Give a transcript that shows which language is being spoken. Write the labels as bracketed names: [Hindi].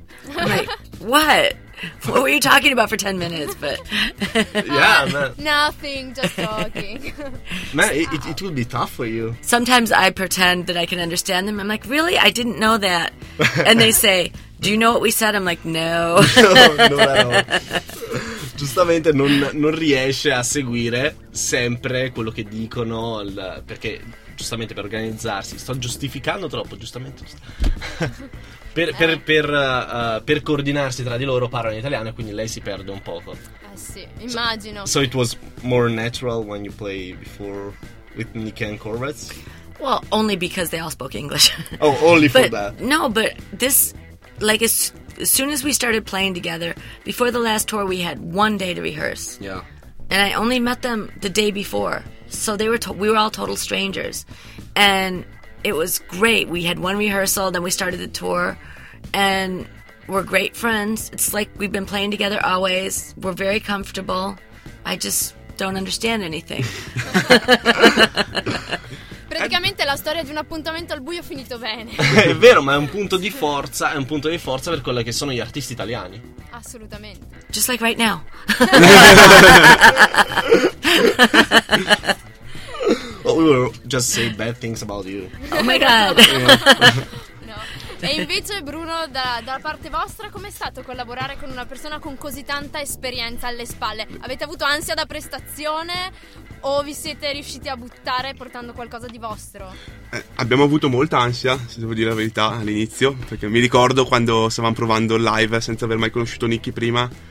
[English] I'm like, what? What were you talking about for 10 minutes? But yeah, man. Nothing, just talking. Man, it would be tough for you. Sometimes I pretend that I can understand them. I'm like, really? I didn't know that. And they say, do you know what we said? I'm like, no. No, not at all. [Italian] Giustamente non riesce a seguire sempre quello che dicono, perché giustamente per organizzarsi. Sto giustificando troppo, giustamente. Per coordinarsi tra di loro parlano in italiano e quindi lei si perde un poco. Sì, immagino. [English] So it was more natural when you play before with Nikki and Corvettes? Well, only because they all spoke English. Oh, only for but, that. No, but this, like as soon as we started playing together, before the last tour we had one day to rehearse. Yeah. And I only met them the day before. So they were we were all total strangers. And... it was great. We had one rehearsal, then we started the tour, and we're great friends. It's like we've been playing together always. We're very comfortable. I just don't understand anything. [Italian] Praticamente la storia di un appuntamento al buio finito bene. È vero, ma è un punto di forza, è un punto di forza per quelli che sono gli artisti italiani. Assolutamente. [English] Just like right now. Well, we will just say bad things about you. Oh my god. No. [Italian] E invece Bruno, dalla parte vostra, com'è stato collaborare con una persona con così tanta esperienza alle spalle? Avete avuto ansia da prestazione o vi siete riusciti a buttare portando qualcosa di vostro? Abbiamo avuto molta ansia, se devo dire la verità, all'inizio, perché mi ricordo quando stavamo provando live senza aver mai conosciuto Nicky prima.